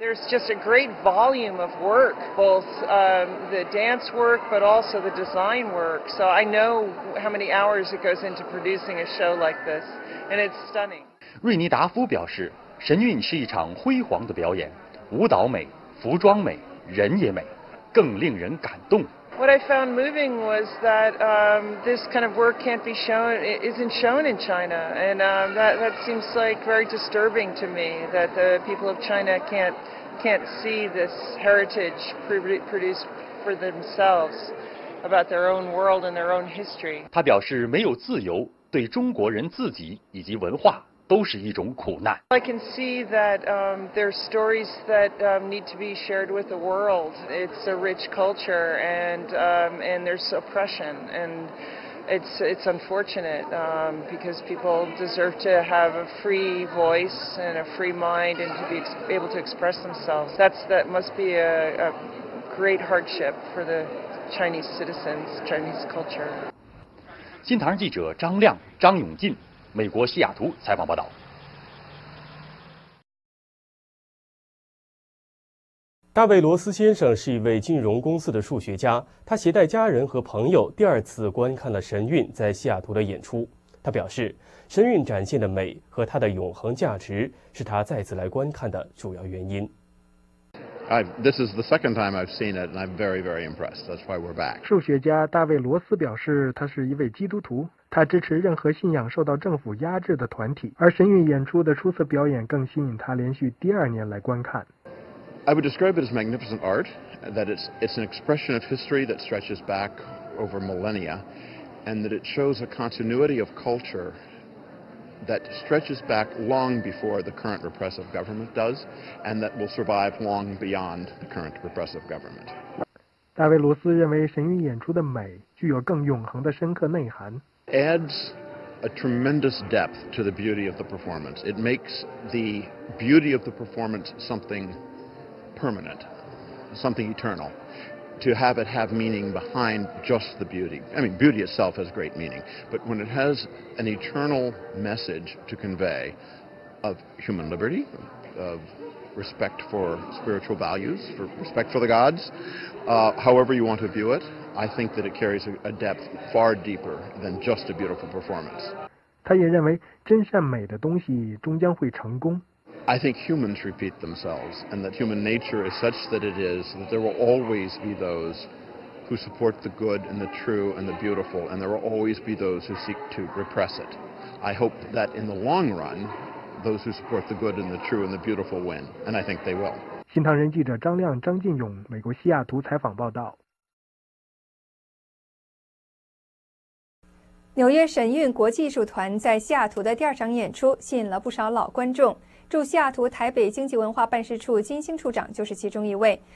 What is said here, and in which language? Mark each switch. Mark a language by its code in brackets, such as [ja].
[en] There's just a great volume of work, both the dance work, but also the design work. So I know how many hours it goes into producing a show like this, and it's stunning. [zh] 瑞尼达夫表示，神韵是一场辉煌的表演，舞蹈美，服装美，人也美，更令人感动。 [en] What I found moving was that this kind of work can't be shown, isn't shown in China, and that seems like very disturbing to me that the people of China can't see this heritage produced for themselves about their own world and their own history. [zh] 他表示没有自由，对中国人自己以及文化都是一种苦难。 [en] I can see that there are stories that need to be shared with the world. It's a rich culture, and there's oppression, and it's unfortunate because people deserve to have a free voice and a free mind and to be able to express themselves. That must be a great hardship for the Chinese citizens, Chinese culture. [zh] 新唐人记者张亮、张永进。美国西雅图采访报道。大卫·罗斯先生是一位金融公司的数学家，他携带家人和朋友第二次观看了神韵在西雅图的演出。他表示，神韵展现的美和它的永恒价值是他再次来观看的主要原因。 [en] This is the second time I've seen it, and I'm very, very impressed. That's why we're back. [zh] 数学家大卫·罗斯表示，他是一位基督徒，他支持任何信仰受到政府压制的团体，而神韵演出的初次表演更吸引他连续第二年来观看。 [en] I would describe it as magnificent art, that it's an expression of history that stretches back over millennia, and that it shows a continuity of culture. That stretches back long before the current repressive government does, and that will survive long beyond the current repressive government. [zh] 大卫·罗斯认为神韵演出的美具有更永恒的深刻内涵。 [en] Adds a tremendous depth to the beauty of the performance. It makes the beauty of the performance something permanent, something eternal. To have it have meaning behind just the beauty. I mean, beauty itself has great meaning, but when it has an eternal message to convey of human liberty, of respect for spiritual values, for respect for the gods, however you want to view it, I think that it carries a depth far deeper than just a beautiful performance. [zh] 他也认为真善美的东西终将会成功。 [en] I think humans repeat themselves, and that human nature is such that it is that there will always be those who support the good and the true and the beautiful, and there will always be those who seek to repress it. I hope that in the long run, those who support the good and the true and the beautiful win, and I think they will. [zh] 新唐人记者张亮、张进勇，美国西雅图采访报道。纽约神韵国际艺术团在西雅图的第二场演出吸引了不少老观众。驻西雅图台北经济文化办事处金星处长就是其中一位。